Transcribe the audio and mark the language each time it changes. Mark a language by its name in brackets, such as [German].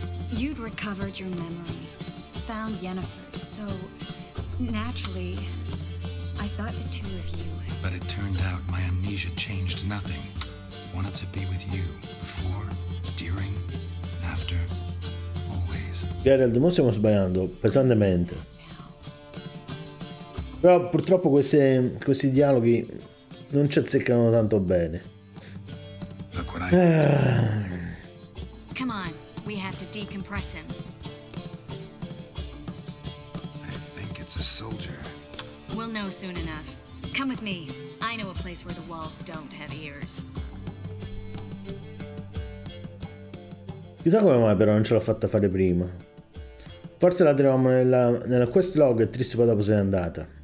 [English] You'd recovered your memory, found Yennefer, so naturally, I thought the two of you... But it turned out my amnesia changed nothing. Wanted to be with you, before, during, after, always. [Italian] Geralt, mo stiamo sbagliando, pesantemente. Però purtroppo questi dialoghi non ci azzeccano tanto bene. [English] Look what I... Come on. We have to decompress him. I think it's a soldier. We'll know soon enough. Come with me. I know a place where the walls don't have ears. [Italian] Chissà come mai però non ce l'ho fatta fare prima. Forse la troviamo nella quest log e Triss poi dopo se n'è andata.